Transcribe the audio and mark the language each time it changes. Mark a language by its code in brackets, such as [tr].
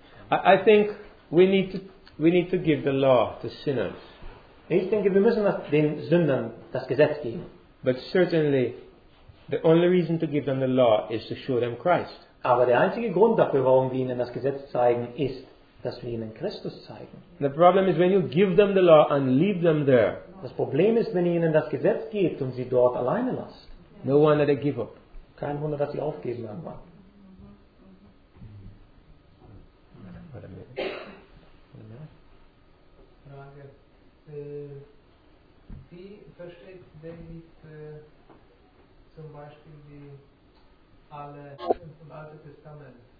[en] I think we need to give the law to sinners. [de] Ich denke, wir müssen den Sündern das Gesetz geben. [en] But certainly, the only reason to give them the law is to show them Christ. [de] Aber der einzige Grund dafür, warum wir ihnen das Gesetz zeigen, ist, dass wir ihnen Christus zeigen. [en] The problem is when you give them the law and leave them there. [de] Das Problem ist, wenn ihr ihnen das Gesetz gebt und sie dort alleine lasst. [en] No wonder they give up. [de] Kein Wunder, dass sie aufgeben irgendwann. Frage: Wie versteht David zum Beispiel die alle im Alten Testament?